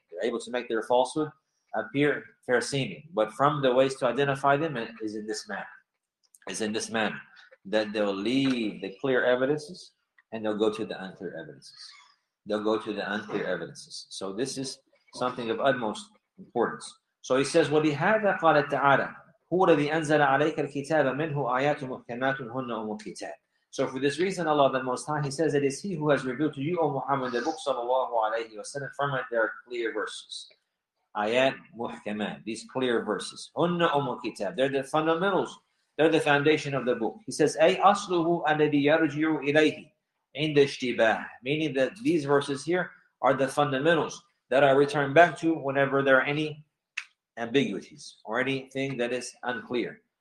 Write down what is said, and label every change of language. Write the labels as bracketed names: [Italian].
[English] They're able to make their falsehood appear fair seeming. But from the ways to identify them is in this manner. Is in this manner. That they'll leave the clear evidences and they'll go to the unclear evidences. They'll go to the unclear evidences. So this is something of utmost importance. So he says, [Arabic] وَلِهَذَا قَالَ تَعَالَى هُوَ الَّذِي أَنزَلَ عَلَيْكَ الْكِتَابَ مِنْهُ آيَاتٌ مُحْكَمَاتٌ هُنَّ أُمُّ الْكِتَابِ. [English] So for this reason, Allah the Most High, He says, it is He who has revealed to you, O Muhammad, the book sallallahu alayhi wa sallam, from it there are clear verses. Ayat muhkamat, these clear verses. [Arabic] Hunna umul kitab, [English] they're the fundamentals, they're the foundation of the book. He says, [Arabic] ay asluhu alladhi yarji'u ilayhi inda ishtibah, [English] meaning that these verses here are the fundamentals that I return back to whenever there are any ambiguities or anything that is unclear.